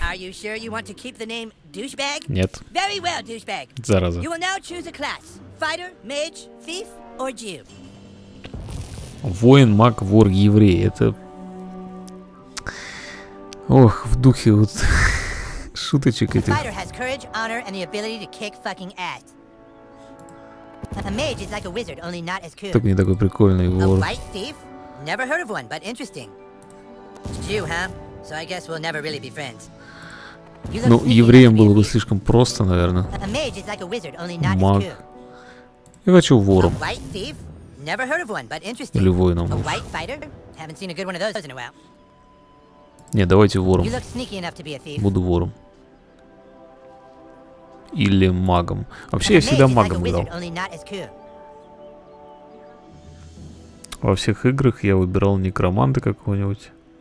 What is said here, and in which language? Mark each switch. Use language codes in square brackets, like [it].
[en] Are you sure you want to keep the name douchebag? [ru] Нет. [en] Very well, douchebag. [ru] Зараза. [en] You will now choose a class. Fighter, mage, thief, or Jew. [ru] Воин, маг, вор, еврей. Это... Ох, в духе вот шуточек этих. [en] Fighter has courage, honor, and the ability to kick fucking ass. A mage is like a wizard, only not as cool. [ru] Только не такой прикольный вор. [en] A light thief? Never heard of one, but interesting. Jew, huh? So I guess we'll never really be friends. [ru] Ну, евреям было бы слишком просто, наверное. [en] A mage is like a wizard, only not as cool. [ru] Я хочу вором. [en] A white thief? Never heard of one, but interesting. [ru] Или воином. [en] A white fighter? Haven't seen a good one of those in a while. [ru] Не, давайте вором. [en] You look sneaky enough to be a thief. [ru] Буду вором. Или магом. Вообще, я всегда магом играл. Во всех играх я выбирал некроманта какого-нибудь.